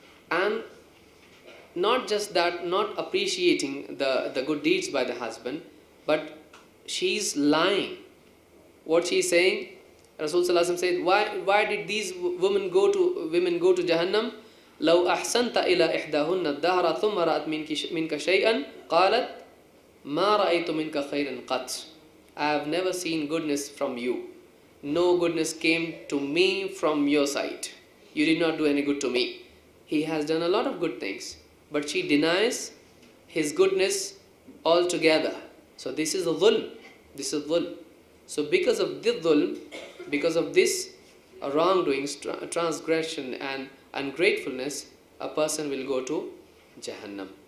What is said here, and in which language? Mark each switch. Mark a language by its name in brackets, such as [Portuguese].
[English] And not just that, not appreciating the good deeds by the husband, but she's lying. What she's saying, Rasulullah said, why did these women go to Jahannam? [Arabic] لو أحسنت إلى إحداهن الدهر ثم رأت منك شيئا قالت ما رأيت منك خيرا قط. [English] I have never seen goodness from you. No goodness came to me from your side. You did not do any good to me. He has done a lot of good things, but she denies his goodness altogether. So this is a dhulm. This is dhulm. So because of this dhulm, because of this wrongdoings, transgression and ungratefulness, a person will go to Jahannam.